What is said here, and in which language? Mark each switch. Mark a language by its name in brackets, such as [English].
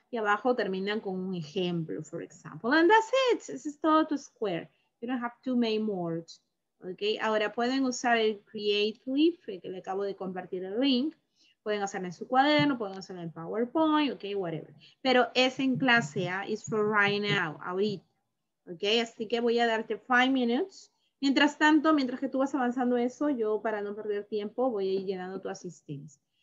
[Spanish] Y abajo terminan con un ejemplo, [English] for example. And that's it, this is [Spanish] todo tu [English] square. You don't have too many more. Okay. [Spanish] Ahora pueden usar el Creately, que le acabo de compartir el link. Pueden hacerlo en su cuaderno, pueden hacerlo en PowerPoint, ok, [English] whatever. [Spanish] Pero es en clase, [English] it's for right now, [Spanish] ahorita. Ok, así que voy a darte 5 [English] minutes. [Spanish] Mientras tanto, mientras que tú vas avanzando eso, yo para no perder tiempo voy a ir llenando tu asistencia.